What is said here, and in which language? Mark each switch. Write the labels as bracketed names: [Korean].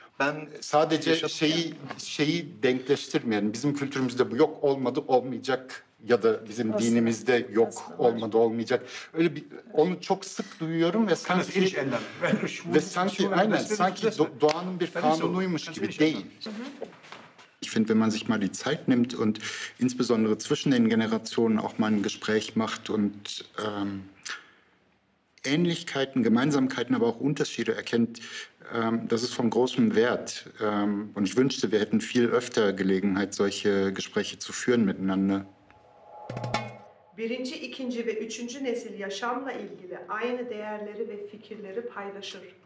[Turkish] Ben sadece şeyi denkleştirmeyelim. Bizim kültürümüzde bu yok, olmadı, olmayacak. Ya da bizim aslında, dinimizde yok, olmadı, olmayacak. Öyle bir, onu çok sık duyuyorum ve sanki ve sanki aynen, sanki doğanın bir kanunuymuş gibi değil. [German] Ich finde, wenn man sich mal die Zeit nimmt und insbesondere zwischen den Generationen auch mal ein Gespräch macht und Ähnlichkeiten, Gemeinsamkeiten, aber auch Unterschiede erkennt, das ist von großem Wert. Und ich wünschte, wir hätten viel öfter Gelegenheit, solche Gespräche zu führen miteinander. [Turkish] Birinci, ikinci ve üçüncü nesil yaşamla ilgili aynı değerleri ve fikirleri paylaşır.